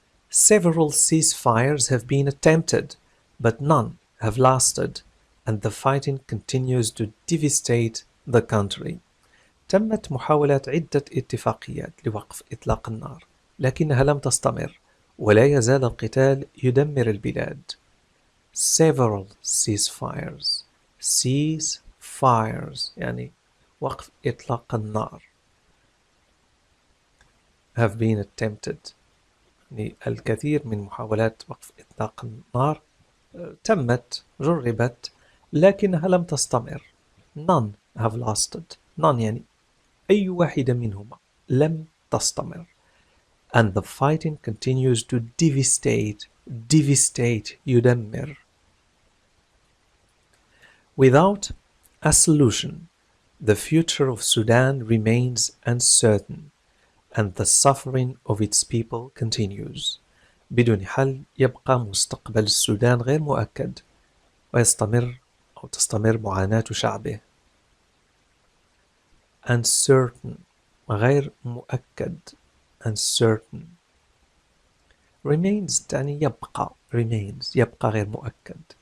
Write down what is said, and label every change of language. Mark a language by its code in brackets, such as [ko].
[en] Several ceasefires have been attempted, but none have lasted, and the fighting continues to devastate the country. [ar] تمت محاولات عدة اتفاقيات لوقف إطلاق النار، لكنها لم تستمر، ولا يزال القتال يدمر البلاد. [en] Several ceasefires. [ar] Ceasefires يعني وقف إطلاق النار. [en] Have been attempted. [ar] يعني الكثير من محاولات وقف إطلاق النار تمت، جربت، لكنها لم تستمر. [en] None have lasted. [ar] None يعني أي واحدة منهما لم تستمر. [en] And the fighting continues to devastate, devastate, يدمر. Without a solution, the future of Sudan remains uncertain, and the suffering of its people continues. [ar] بدون حل يبقى مستقبل السودان غير مؤكد، ويستمر أو تستمر معاناة شعبه. [en] Uncertain, [ar] غير مؤكد. [en] Uncertain. [ar] Remains تعني يبقى. Remains يبقى غير مؤكد.